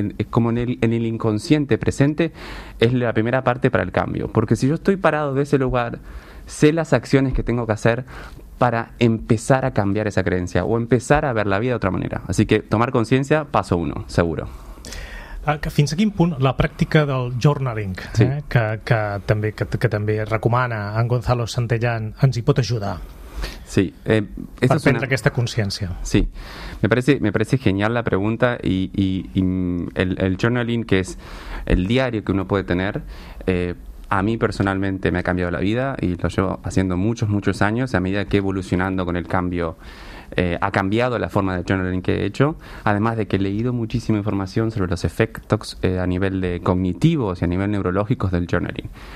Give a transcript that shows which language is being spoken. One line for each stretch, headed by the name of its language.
Spanish: Como en el inconsciente presente, es la primera parte para el cambio. Porque si yo estoy parado de ese lugar, sé las acciones que tengo que hacer para empezar a cambiar esa creencia o empezar a ver la vida de otra manera. Así que tomar conciencia, paso uno, seguro.
Catalan: Fins a quin punt la pràctica del journaling, sí. que també recomana en Gonzalo Santellán, ens hi pot ajudar? Sí, para prendre aquesta consciència.
Spanish: Sí, me parece genial la pregunta y el journaling, que es el diario que uno puede tener, a mí personalmente me ha cambiado la vida y lo llevo haciendo muchos años a medida que evolucionando con el cambio ha cambiado la forma de journaling que he hecho, además de que he leído muchísima información sobre los efectos a nivel de cognitivos y a nivel neurológicos del journaling.